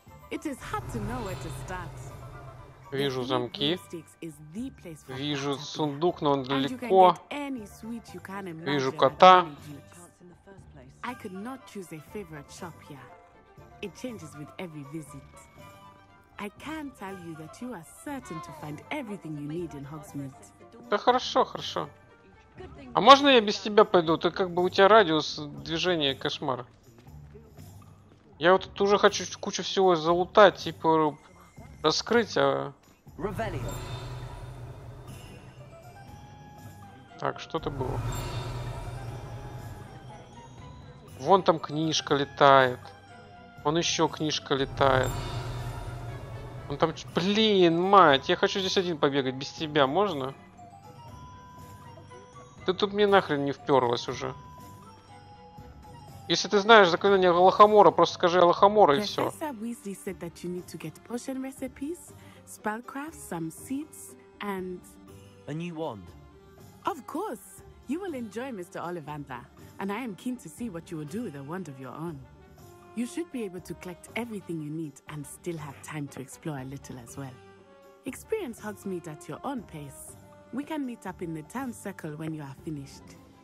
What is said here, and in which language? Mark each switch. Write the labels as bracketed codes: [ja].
[en] It is hard to know where to start. [ru] Вижу замки. Вижу сундук, но он далеко. Вижу кота. [en] I could not choose a favorite shop here. It changes with every visit. I can tell you that you are certain to find everything you need in Hogsmeade. [ru] Да хорошо, хорошо. А можно я без тебя пойду? Ты как бы у тебя радиус движения кошмар. Я вот тут уже хочу кучу всего залутать, типа раскрыть, а. Ревелио. Так, что-то было. Вон там книжка летает. Вон еще книжка летает. Он там... Блин, мать, я хочу здесь один побегать, без тебя, можно? Ты тут мне нахрен не вперлась уже. Если ты знаешь заклинание Аллахомора, просто скажи Аллахомора и все. Профессор Уизли сказал, что тебе нужно получить потион рецепты, спеллкрафт, некоторые семена и... [en] A new wand. Of course, you will enjoy Mr. Ollivander, and I am keen to see what you will do with a wand of your own. You should be able to collect everything you need and still have time to explore a little as well. Experience Hogsmeade at your own pace. We can meet up in the town circle when you are finished.